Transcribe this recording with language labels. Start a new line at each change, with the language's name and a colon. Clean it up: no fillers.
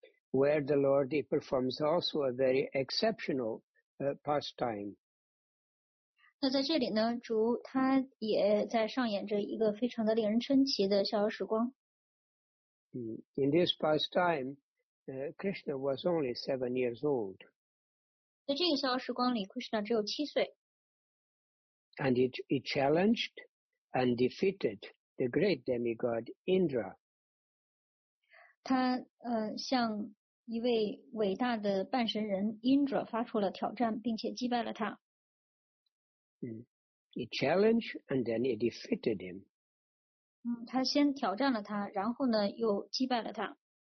English: Where the Lord performs also a very exceptional pastime.
Chinese: 那在这里呢，主他也在上演着一个非常的令人称奇的逍遥时光。
English: In this pastime, Krishna was only 7 years old.
Chinese: 在这个逍遥时光里 ，Krishna 只有七岁。
English: And he challenged and defeated the great demigod Indra.
Chinese: 他向一位伟大的半神人 Indra 发出了挑战，并且击败了他。
English: He challenged and then he defeated him.
Chinese: 他先挑战了他，然后呢又击败了他。